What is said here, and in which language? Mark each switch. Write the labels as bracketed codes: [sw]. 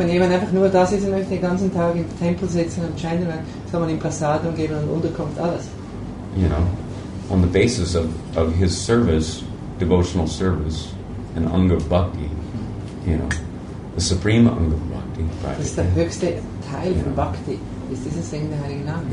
[de] So wenn jemand einfach nur da sitzt und möchte den ganzen Tag im Tempel sitzen und chanten, soll man ihm Prasadam geben und Unterkunft, alles. [en] You know, on the basis of his service, devotional service, and Anga Bhakti, you know, the supreme Anga Bhakti, right? [de] Das ist der höchste Teil von Bhakti, ist dieses Singen der Heiligen Namen.